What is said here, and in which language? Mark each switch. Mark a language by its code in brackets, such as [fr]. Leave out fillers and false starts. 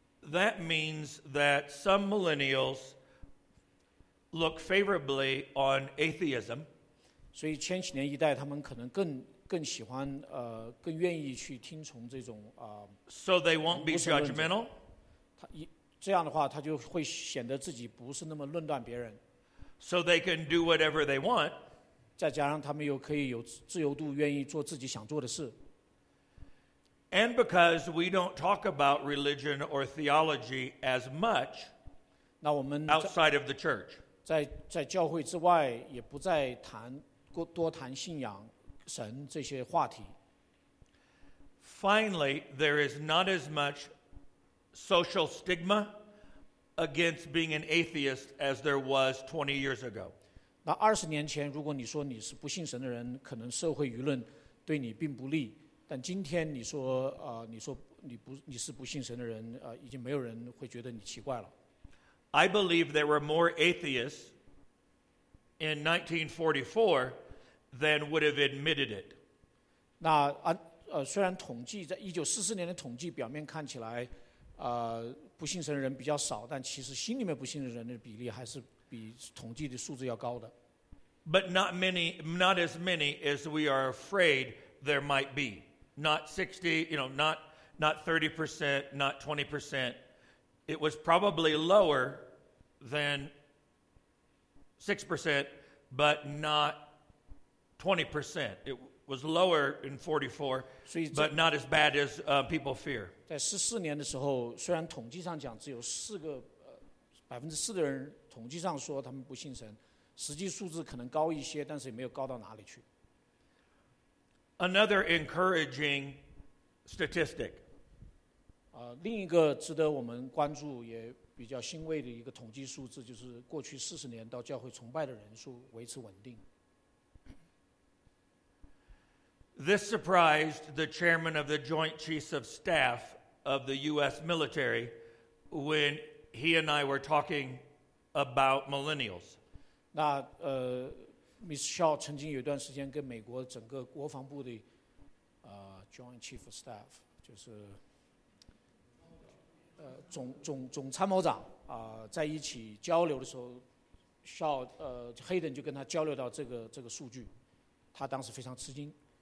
[en] ，That means that some millennials look favorably on atheism。 [zh] 所以千禧年一代他们可能更喜欢更愿意去听从这种 [en] So they won't be judgmental. [zh] 这样的话，他就会显得自己不是那么论断别人。 [en] So they can do whatever they want. [zh] 再加上他们又可以有自由度，愿意做自己想做的事。 [en] And because we don't talk about religion or theology as much, [zh] 那我们 [en] outside of the church [zh] 在教会之外也不再多谈信仰。神这些话题。 [en] Finally, there is not as much social stigma against being an atheist as there was 20 years ago. [zh] 那20年前，如果你说你是不信神的人，可能社会舆论对你并不利。但今天你说你说你是不信神的人，已经没有人会觉得你奇怪了。 [en] I believe there were more atheists in 1944 than would have admitted it. [zh] 那虽然统计在1944年的统计表面看起来，不信神的人比较少，但其实心里面不信的人的比例还是比统计的数字要高的。 [en] But not as many as we are afraid there might be. Not 60, you know, not 30%, not 20%. It was probably lower than 6%, but not 20%. It was lower in 44, but not as bad as people fear. [zh] 在44年的时候，虽然统计上讲只有4%的人统计上说他们不信神。实际数字可能高一些，但是也没有高到哪里去。 [en] Another encouraging statistic. [zh] 另一个值得我们关注也比较欣慰的一个统计数字，就是过去40年到教会崇拜的人数维持稳定。 [en] This surprised the chairman of the Joint Chiefs of Staff of the U.S. military when he and I were talking about millennials. [zh] 那Ms. Shaw 曾经有一段时间跟美国整个国防部的 [en] Joint Chief of Staff [zh] 就是总参谋长在一起交流的时候 ，Shaw Hayden 就跟他交流到这个数据，他当时非常吃惊。